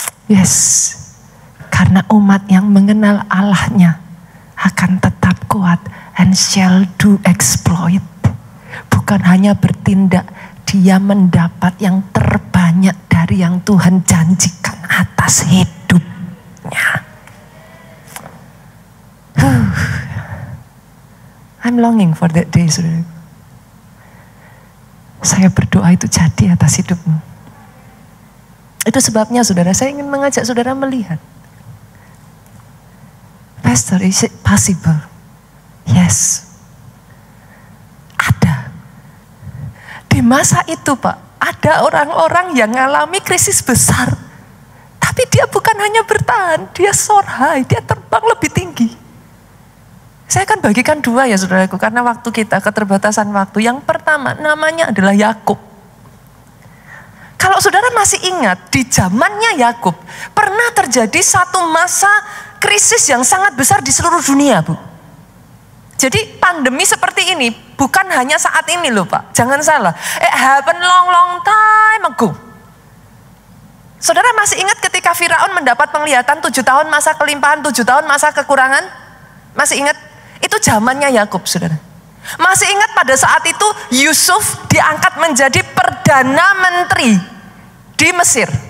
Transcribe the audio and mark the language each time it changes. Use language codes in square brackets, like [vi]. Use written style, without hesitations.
[id] Yes. Karena umat yang mengenal Allahnya akan tetap kuat [en] and shall do exploit. [id] Bukan hanya bertindak, dia mendapat yang terbanyak dari yang Tuhan janjikan atas hidupnya. [en] I'm longing for that day, saudara. [id] Saya berdoa itu jadi atas hidupmu. Itu sebabnya, saudara, saya ingin mengajak saudara melihat. [en] Pastor, is it possible? Yes. Ada. [id] Di masa itu, Pak, ada orang-orang yang mengalami krisis besar. Tapi dia bukan hanya bertahan, dia [en] soar high, [id] dia terbang lebih tinggi. Saya akan bagikan dua ya, saudaraku, karena waktu kita, keterbatasan waktu. Yang pertama, namanya adalah Yakub. Kalau saudara masih ingat, di zamannya Yakub, pernah terjadi satu masa krisis yang sangat besar di seluruh dunia, Bu. Jadi pandemi seperti ini bukan hanya saat ini loh, Pak. Jangan salah. [en] It happened long time ago. [id] Saudara masih ingat ketika Firaun mendapat penglihatan 7 tahun masa kelimpahan, 7 tahun masa kekurangan? Masih ingat? Itu zamannya Yakub, saudara. Masih ingat pada saat itu Yusuf diangkat menjadi perdana menteri di Mesir.